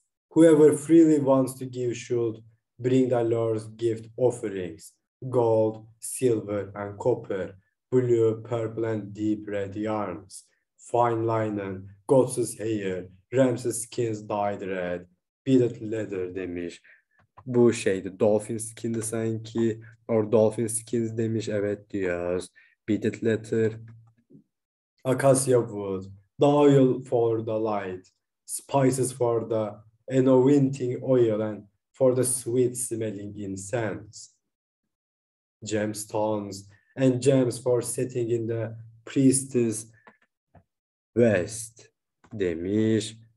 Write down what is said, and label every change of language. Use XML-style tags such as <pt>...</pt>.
<en>Whoever freely wants to give should bring the Lord's gift offerings, gold, silver, and copper, blue, purple, and deep red yarns, fine linen, goat's hair, ram's skins dyed red, beaded leather," demiş.</en> <tr>Bu şeydi, dolphin skin'di sanki,</tr> <en>or dolphin skins</en> <tr>demiş, evet diyoruz.</tr> <en>Beaded leather, acacia wood, the oil for the light, spices for the anointing oil and for the sweet smelling incense, gemstones and gems for setting in the priest's vest demiş.</en>